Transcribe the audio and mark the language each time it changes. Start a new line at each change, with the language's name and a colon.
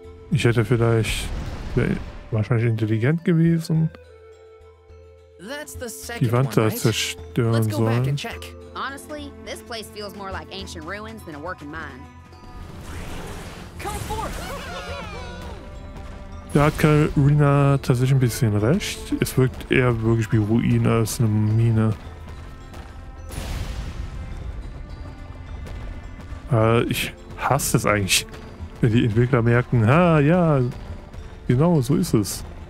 German: Ich hätte vielleicht... Wäre wahrscheinlich intelligent gewesen. Die Wand da zerstören sollen.
English: Honestly, this place feels more like ancient ruins than a working mine. Come forth!
German: Da hat Karina tatsächlich ein bisschen recht. Es wirkt eher wirklich wie Ruine als eine Mine. Ich hasse es eigentlich, wenn die Entwickler merken, ha, ja, genau, so ist es.